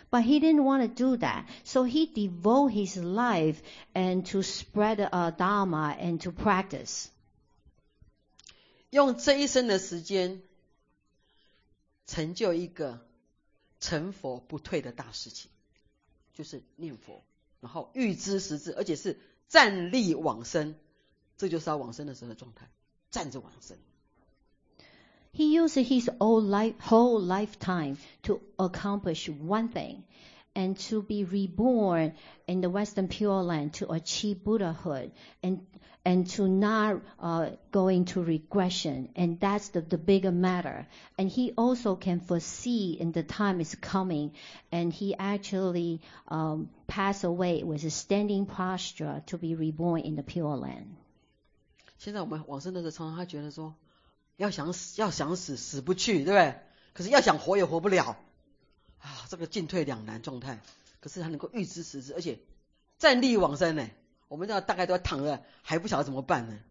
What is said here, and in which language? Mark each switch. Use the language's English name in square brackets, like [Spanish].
[English] But he didn't want to do that. So he devote his life and to spread Dharma and to practice. [Chinese] 用这一生的时间成就一个成佛不退的大事情，就是念佛，然后预知实质，而且是站立往生，这就是他往生的时候的状态，站着往生。 [English] He used his whole lifetime to accomplish one thing, and to be reborn in the Western Pure Land to achieve Buddhahood, and to not go into regression, and that's the bigger matter. And he also can foresee in the time is coming, and he actually pass away with a standing posture to be reborn in the Pure Land. [Chinese] 现在我们往生的时候，常常他觉得说。要想死死不去，对不对？可是要想活也活不了啊，这个进退两难状态。可是他能够预知时至，而且站立往生呢，我们这大概都要躺着还不晓得怎么办呢。